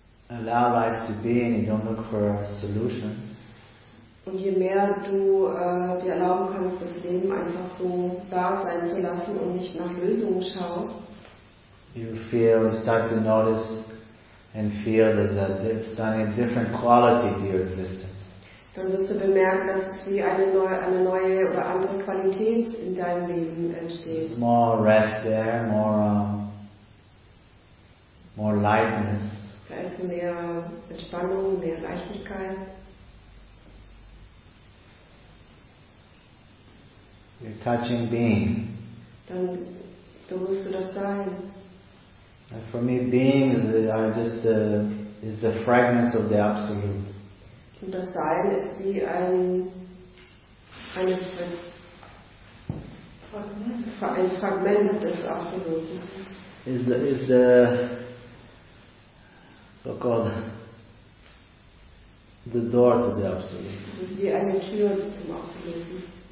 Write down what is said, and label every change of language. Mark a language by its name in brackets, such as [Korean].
[English] allow life to be and you don't look for solutions. [German] Und je mehr du dir erlauben kannst, das Leben einfach so da sein zu lassen und nicht nach Lösungen schaust, [English] you feel, start to notice and feel there's a different quality to your existence. [German] Dann wirst du bemerken, dass es wie eine neue oder andere Qualität in deinem Leben entsteht. [English] More rest there, more lightness. [German] Da ist mehr Entspannung, mehr Leichtigkeit. [English] You're touching being. [German] Dann wirst du das sein. [English] And for me, being is the fragments of the absolute. [German] Und das Sein ist wie ein Fragment des Absoluten. [English] Is the so-called the door to the absolute. [German] Es ist wie eine Tür zum Absoluten.